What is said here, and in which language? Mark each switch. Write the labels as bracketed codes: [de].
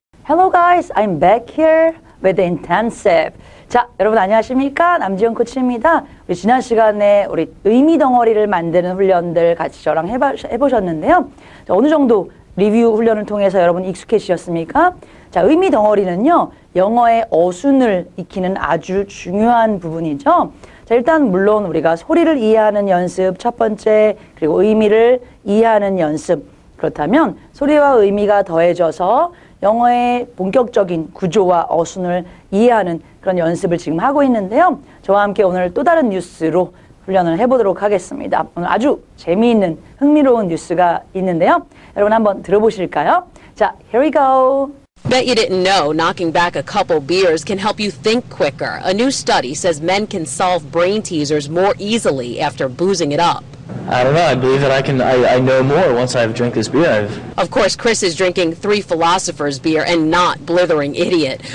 [en] Hello guys, I'm back here with the intensive. [ko] 자, 여러분 안녕하십니까? 남지영 코치입니다. 우리 지난 시간에 우리 의미 덩어리를 만드는 훈련들 같이 저랑 해보셨는데요. 자, 어느 정도 리뷰 훈련을 통해서 여러분 익숙해지셨습니까? 자, 의미 덩어리는요, 영어의 어순을 익히는 아주 중요한 부분이죠. 자, 일단 물론 우리가 소리를 이해하는 연습 첫 번째, 그리고 의미를 이해하는 연습. 그렇다면 소리와 의미가 더해져서 영어의 본격적인 구조와 어순을 이해하는 그런 연습을 지금 하고 있는데요. 저와 함께 오늘 또 다른 뉴스로 훈련을 해보도록 하겠습니다. 오늘 아주 재미있는 흥미로운 뉴스가 있는데요. 여러분 한번 들어보실까요? [en] 자, here we go. Bet you didn't know knocking back a couple beers can help you think quicker. A new study says men can solve brain teasers more easily after boozing it up. I don't know. I believe that I know more once I've drank this beer. Of course, Chris is drinking Three Philosophers beer and not Blithering Idiot.